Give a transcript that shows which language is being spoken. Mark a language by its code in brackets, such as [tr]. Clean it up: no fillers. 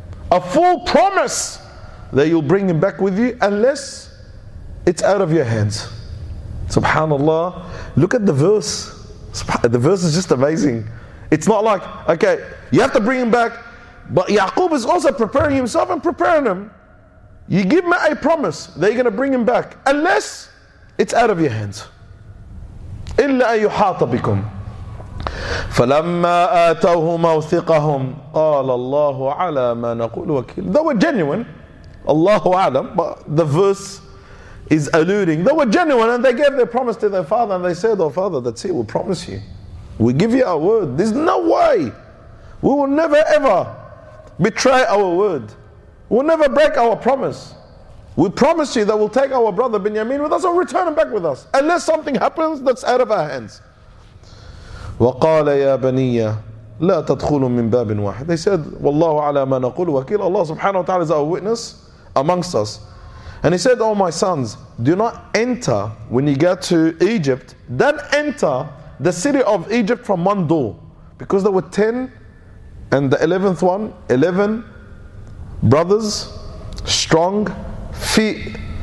[en] a full promise that you'll bring him back with you unless it's out of your hands Subhanallah look at the verse The verse is just amazing. It's not like, okay, you have to bring him back. But Yaqub is also preparing himself and preparing him. You give me a promise that you're going to bring him back. Unless it's out of your hands. [ar] إِلَّا أَن يُحَاطَ بِكُمْ فَلَمَّا آتَوْهُ مَوْثِقَهُمْ قَالَ اللَّهُ عَلَى مَا نَقُولُ وَكِيلٌ [en] They were genuine. [ar] Allahu A'lam. [en] But the verse is alluding. They were genuine and they gave their promise to their father and they said, Oh father, that's it, we promise you. We give you our word. There's no way. We will never ever betray our word. We'll never break our promise. We promise you that we'll take our brother Benjamin with us or return him back with us. Unless something happens that's out of our hands. [ar] وَقَالَ يَا بَنِيَّ لَا تَدْخُلُوا مِن بَابٍ وَاحِدٍ [en] They said, [ar] وَاللَّهُ عَلَى مَا نَقُولُ وَكِيلٌ [en] Allah subhanahu wa ta'ala is our witness amongst us. And he said, Oh my sons, do not enter when you go to Egypt. Don't enter the city of Egypt from one door. Because there were 10 and the 11th one, 11 brothers, strong, fit,